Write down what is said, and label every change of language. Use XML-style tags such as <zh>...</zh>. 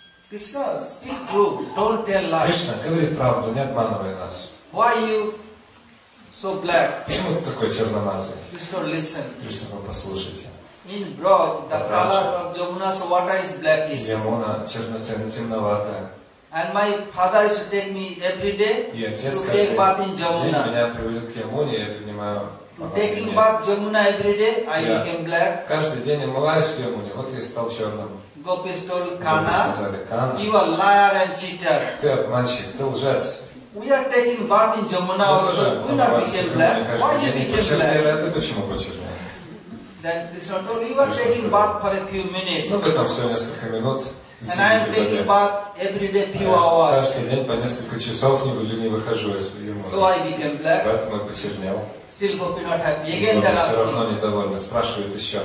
<ru>Кришна говорит правду, не обманывай нас.</ru> <en>Why you so black?</en> <ru>Почему ты такой черномазый?</ru> <en>Кришна, listen.</en> <ru>Кришна, вы послушайте.</ru> <en>In broad, the color of Jamuna's water is blackish.</en> <ru>Ямуна темноватая.</ru> <en>And my father used to take me every day.</en> <ru>И отец каждый день меня приводит к Ямуне, я принимаю.</ru> <en>Taking bath Jamuna every day, I became black.</en> <ru>Каждый день я умываюсь в Ямуне, вот я стал черным.</ru> <en>Gopis told Kana, Kana, you are liar and cheater.</en> <ru>Ты обманщик, ты лжец.</ru> <en>We are taking bath in Jamuna also. We are not became black. Why you became black?</en> <ru>Почернели, а ты почему почернели?</ru> <en>Then Krishna told, you are taking bath for a few minutes.</en> <ru>Ну, потом всего несколько минут.</ru> <en>And I am taking bath every day few hours.</en> <ru>Каждый день по несколько часов не выхожу из Ямуны.</ru> <en>So I became black.</en> <ru>Поэтому я почернел.</ru> <en>Still Gopi not happy. Again they are asking.</en> <ru>Все равно недовольны, спрашивают еще.</ru>